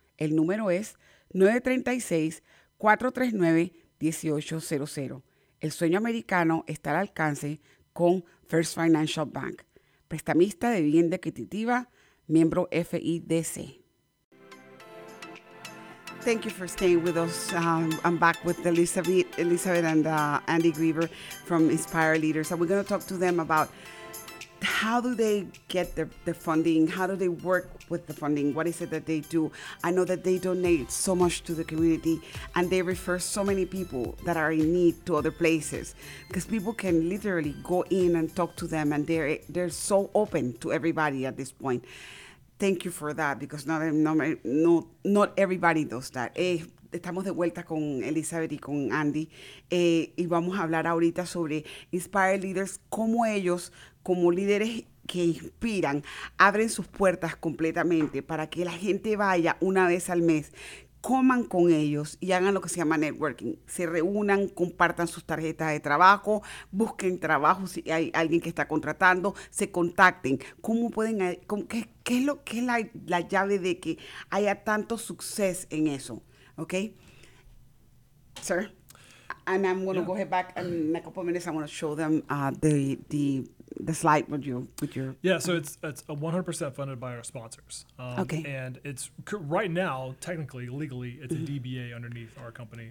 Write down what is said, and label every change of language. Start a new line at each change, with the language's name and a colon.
Spanish: El número es 936-439-1800. El sueño americano está al alcance con First Financial Bank, prestamista de vivienda adquisitiva, miembro FIDC.
English: Thank you for staying with us. I'm back with Elizabeth and Andy Griever from Inspire Leaders. And we're going to talk to them about how do they get the funding? How do they work with the funding? What is it that they do? I know that they donate so much to the community and they refer so many people that are in need to other places because people can literally go in and talk to them and they're so open to everybody at this point. Thank you for that because not everybody does that.
Spanish: Estamos de vuelta con Elizabeth y con Andy y vamos a hablar ahorita sobre Inspire Leaders, cómo ellos como líderes que inspiran, abren sus puertas completamente para que la gente vaya una vez al mes, coman con ellos y hagan lo que se llama networking. Se reúnan, compartan sus tarjetas de trabajo, busquen trabajo si hay alguien que está contratando, se contacten. ¿Cómo pueden? ¿Qué es la llave de que haya tanto suceso en eso? ¿Ok?
English: Sir, and I'm going to go ahead back and in a couple of minutes I'm going to show them the slide with your yeah, so it's 100% funded by our sponsors. Okay. And it's right now, technically, legally, it's a DBA underneath our company.